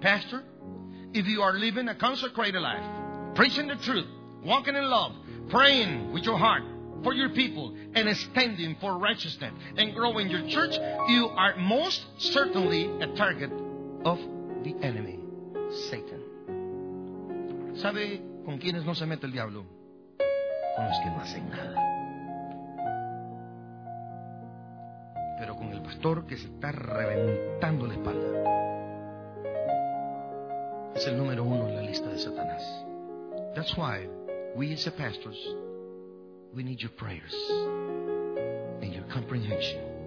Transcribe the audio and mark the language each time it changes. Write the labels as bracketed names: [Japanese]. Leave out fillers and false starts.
[English] Pastor, if you are living a consecrated life, preaching the truth, walking in love, praying with your heart for your people, and standing for righteousness and growing your church, you are most certainly a target of the enemy, Satan. [Spanish] ¿Sabe con quiénes no se mete el diablo? Con los que no hacen nada. Pero con el pastor que se está reventando la espalda. Es el número uno en la lista de Satanás. [English] That's why we as a pastors, we need your prayers and your comprehension.